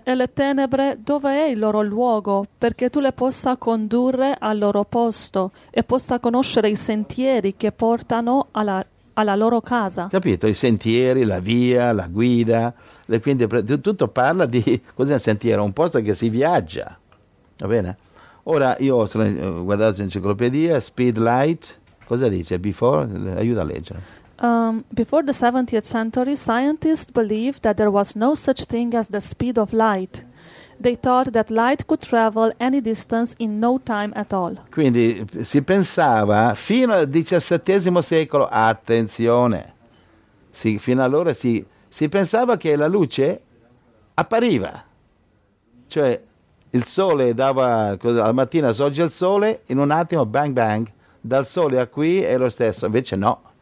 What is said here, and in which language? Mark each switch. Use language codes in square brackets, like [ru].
[it] E le tenebre, dove è il loro luogo? Perché tu le possa condurre al loro posto e possa conoscere i sentieri che portano alla loro casa. Capito? I sentieri, la via, la guida. Quindi tutto parla di cos'è un sentiero, un posto che si viaggia. Va bene? Ora io ho guardato l'enciclopedia, speed light, cosa dice? Before? Aiuta a leggere. [en] Before the 70th century, scientists believed that there was no such thing as the speed of light. They thought that light could travel any distance in no time at all. [it] Quindi si pensava fino al 17 secolo, attenzione, fino allora si pensava che la luce appariva, cioè il sole dava, al mattino sorge il sole, in un attimo bang bang, dal sole a qui è lo stesso, invece no.